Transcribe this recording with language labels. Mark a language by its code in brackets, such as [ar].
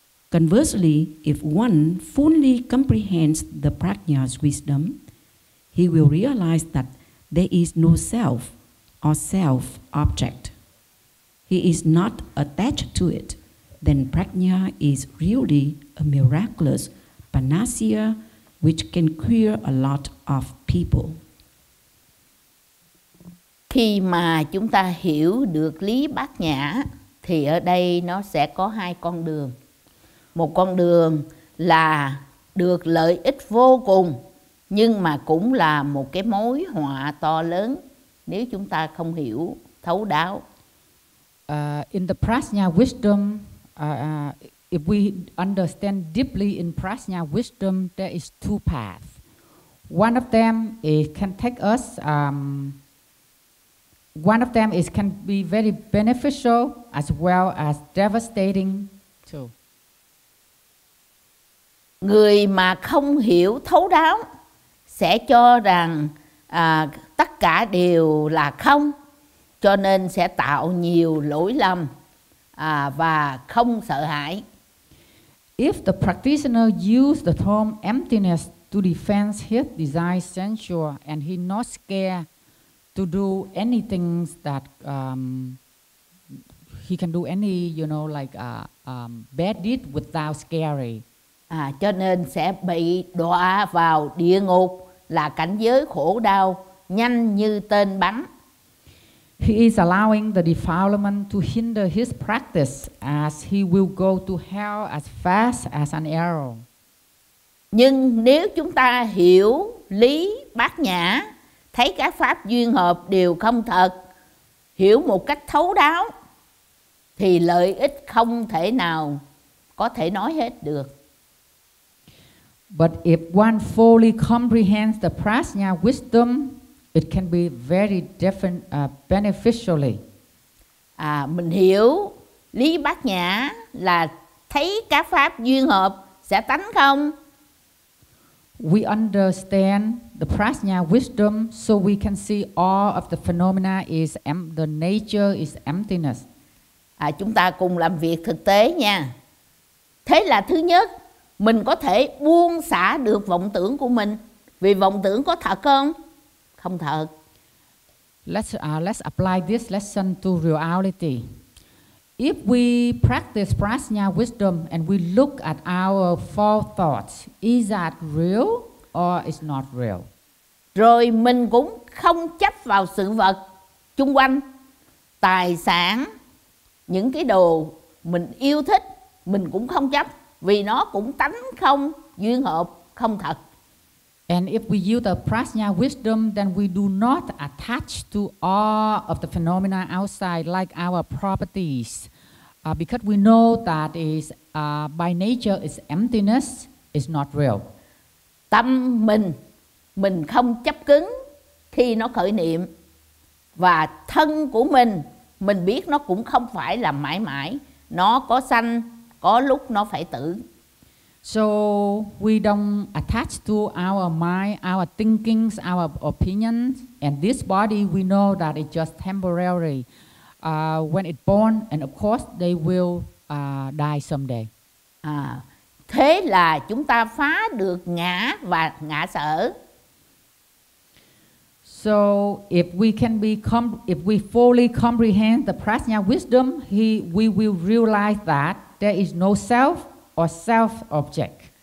[en] Conversely, if one fully comprehends the prajna's wisdom, he will realize that there is no self or self-object. He is not attached to it. Then prajna is really a miraculous panacea which can cure a lot of people. [vi] Khi mà chúng ta hiểu được lý bát nhã thì ở đây nó sẽ có hai con đường. Một con đường là được lợi ích vô cùng, nhưng mà cũng là một cái mối họa to lớn nếu chúng ta không hiểu thấu đáo. [en] In the prajna wisdom, if we understand deeply in prajna wisdom, there is two paths. One of them is can take us one of them is can be very beneficial as well as devastating too. [vi] Người mà không hiểu thấu đáo sẽ cho rằng tất cả đều là không, cho nên sẽ tạo nhiều lỗi lầm và không sợ hãi. [en] If the practitioner use the term emptiness to defend his desire sensual and he not scared to do anything that he can do any, you know, like bad deed without scary. [vi] À, cho nên sẽ bị đọa vào địa ngục là cảnh giới khổ đau nhanh như tên bắn. [en] He is allowing the defilement to hinder his practice as he will go to hell as fast as an arrow. [vi] Nhưng nếu chúng ta hiểu lý bát nhã, thấy các pháp duyên hợp đều không thật, hiểu một cách thấu đáo, thì lợi ích không thể nào có thể nói hết được. [en] But if one fully comprehends the prajna wisdom, it can be very different beneficially. [vi] À, mình hiểu lý bát nhã là thấy các pháp duyên hợp sẽ tánh không. [en] We understand the prajna wisdom so we can see all of the phenomena is the nature is emptiness. [vi] À, chúng ta cùng làm việc thực tế nha. Thế là thứ nhất, mình có thể buông xả được vọng tưởng của mình. Vì vọng tưởng có thật không? Không thật. [en] Let's apply this lesson to reality. If we practice prajna wisdom and we look at our four thoughts, is that real or is not real? [vi] Rồi mình cũng không chấp vào sự vật chung quanh, tài sản, những cái đồ mình yêu thích, mình cũng không chấp vì nó cũng tánh không, duyên hợp, không thật. [en] And if we use the prajna wisdom, then we do not attach to all of the phenomena outside, like our properties, because we know that is by nature is emptiness, is not real. [vi] Tâm mình không chấp cứng khi nó khởi niệm, và thân của mình biết nó cũng không phải là mãi mãi, nó có sanh, có lúc nó phải tử. [en] So we don't attach to our mind, our thinkings, our opinions, and this body we know that it's just temporary. When it's born, and of course they will die someday. [vi] À, thế là chúng ta phá được ngã và ngã sở. [en] So if we fully comprehend the prajna wisdom, we will realize that there is no self or self object.